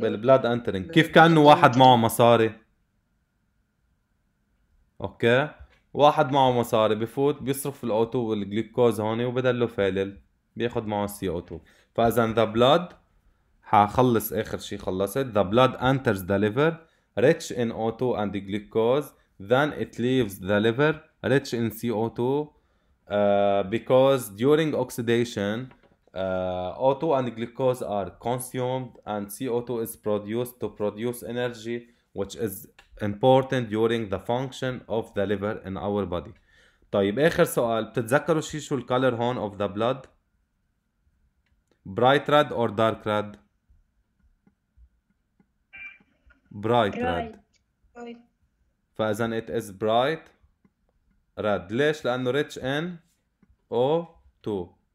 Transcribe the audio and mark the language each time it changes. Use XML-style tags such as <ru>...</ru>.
<en>بالـ blood entering.</en> <ar>كيف كأنه واحد معه مصاري؟ أوكي؟ واحد معه مصاري بفوت بيصرف الـ O2 والجلوكوز هون وبدله فالل بياخد معه الـ CO2. فإذا</ar> <en>the blood</en> <ar>هخلص آخر شيء خلصت.</ar> <en>The blood enters the liver rich in O2 and the glucose, then it leaves the liver rich in CO2 because during oxidation O2 and the glucose are consumed and CO2 is produced to produce energy which is important during the function of the liver in our body.</en> <ar>طيب آخر سؤال، بتتذكروا شي شو الكالر هون</ar> <en>of the blood؟ bright red or dark red؟ bright red. فإذا it is bright red.</en> <ar>ليش؟ لأنه</ar> <en>rich in O2.</en>